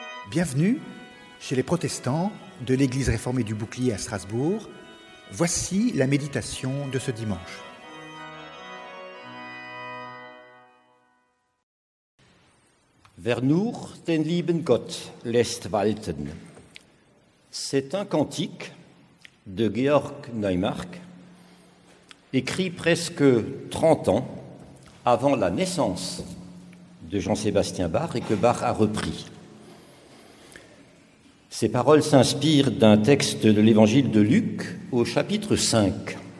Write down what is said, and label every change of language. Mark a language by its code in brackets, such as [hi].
[fr] Bienvenue chez les protestants de l'église réformée du Bouclier à Strasbourg. Voici la méditation de ce dimanche. [de] Wer nur den lieben Gott lässt walten. [fr] C'est un cantique de Georg Neumark, écrit presque 30 ans avant la naissance de Jean-Sébastien Bach et que Bach a repris. Ces paroles s'inspirent d'un texte de l'évangile de Luc au chapitre 5.